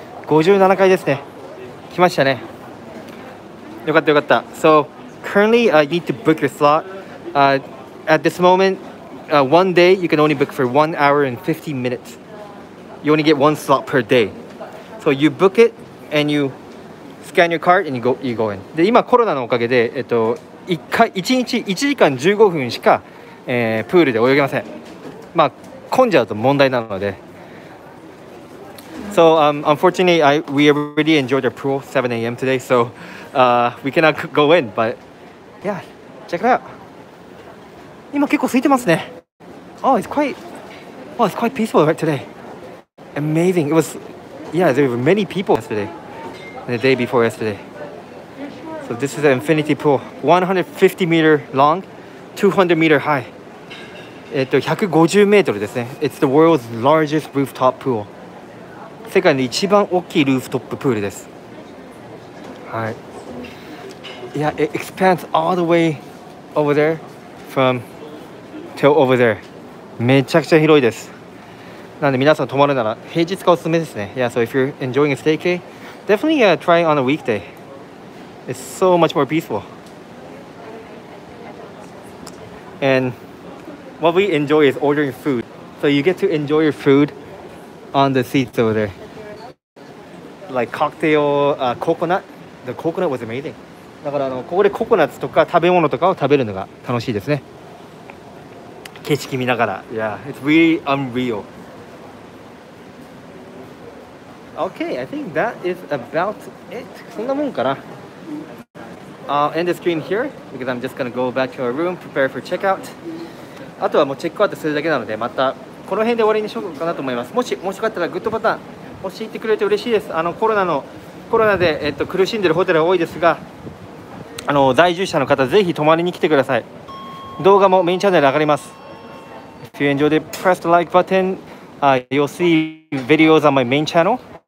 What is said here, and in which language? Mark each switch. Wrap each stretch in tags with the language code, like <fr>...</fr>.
<ja>57階ですね。来ましたね。よかったよかった。</ja> <en>So currently, you need to book your slot. At this moment, one day, you can only book for 1 hour and 50 minutes. You only get one slot per day. So you book it, and you scan your card, and you go in.</en> <ja>で、今コロナのおかげで、1日1時間15分しか、プールで泳げません。まあ、混んじゃうと問題なので。</ja> <en>So, unfortunately, we already enjoyed our pool 7 a.m. today, so we cannot go in, but yeah, check it out.</en> <ja>今結構空いてますね。</ja> <en>Oh, it's quite peaceful right today. Amazing. It was, yeah, there were many people yesterday, the day before yesterday. So this is an infinity pool, 150 meter long, 200 meter high.</en> <ja>150メートルですね。</ja> <en>It's the world's largest rooftop pool.</en> <ja>世界で一番大きいルーフトッププールです。はい。</ja> <en>Yeah, it expands all the way over there from till over there.</en> <ja>めちゃくちゃ広いです。なんで皆さん泊まるなら平日がおすすめですね。</ja> <en>Yeah, so if you're enjoying a staycay, definitely try on a weekday. It's so much more peaceful. And what we enjoy is ordering food. So you get to enjoy your food. On the seats over there. Like cocktail, coconut. The coconut was amazing.</en> <ja>だからここでココナッツとか食べ物とかを食べるのが楽しいですね。景色見ながら。</ja> <en>Yeah, it's really unreal. Okay, I think that is about it.</en> <ja>そんなもんかな。</ja> <en>End the stream here, because I'm just gonna go back to our room, prepare for checkout.</en> <ja>あとはもうチェックアウトするだけなので、またこの辺で終わりにしようかなと思います。もしもしよかったらグッドボタン押していってくれて嬉しいです。コロナで苦しんでるホテルが多いですが、在住者の方ぜひ泊まりに来てください。動画もメインチャンネル上がります。</ja> <en>If you enjoy the press the like button, you'll see videos on my main channel.</en>